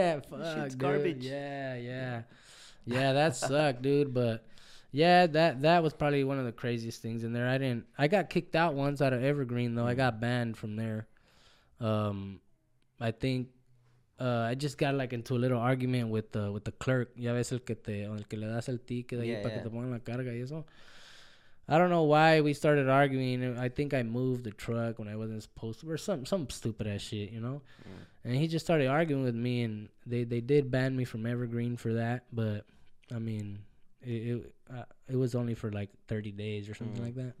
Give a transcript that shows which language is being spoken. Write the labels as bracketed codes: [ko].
[en] Yeah, fuck, shit's garbage. Yeah, that sucked, dude. But yeah, that was probably one of the craziest things in there. I got kicked out once out of Evergreen, though. I got banned from there. I think I just got like into a little argument with the clerk. [es] Ya ves el que le das el ticket ahí para que te pongan la carga y eso. [en] I don't know why we started arguing. I think I moved the truck when I wasn't supposed to, or some stupid ass shit, you know. Mm. And he just started arguing with me, and they did ban me from Evergreen for that. But I mean, it was only for like 30 days or something like that.